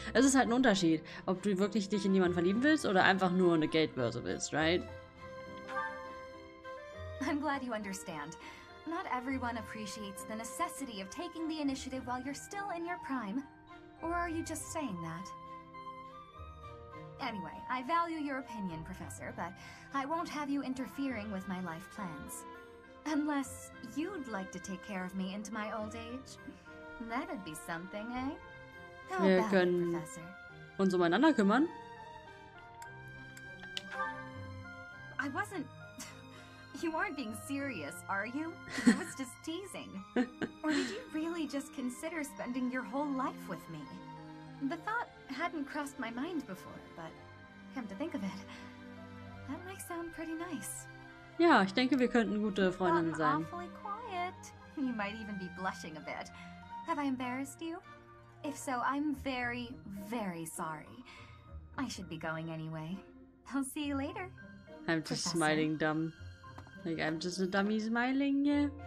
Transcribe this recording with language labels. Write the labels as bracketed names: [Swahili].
[German] Es ist halt ein Unterschied, ob du wirklich dich in jemanden verlieben willst oder einfach nur eine Geldbörse willst, right? [English] I'm glad you understand. Not everyone appreciates the necessity of taking the initiative while you're still in your prime. Or are you just saying that? Anyway, I value your opinion, Professor, but I won't have you interfering with my life plans. Unless you'd like to take care of me into my old age. That'd be something, eh? How about it, Professor? [German] Uns umeinander kümmern? [English] I wasn't... You aren't being serious, are you? I was just teasing. Or did you really just consider spending your whole life with me? The thought hadn't crossed my mind before, but come to think of it, that might sound pretty nice. [German] Ja, ich denke, wir könnten gute Freundinnen sein. [English] Awfully quiet. You might even be blushing a bit. Have I embarrassed you? If so, I'm very, very sorry. I should be going anyway. I'll see you later. I'm just Professor. Smiling dumb. Like, I'm just a dummy smiling, yeah.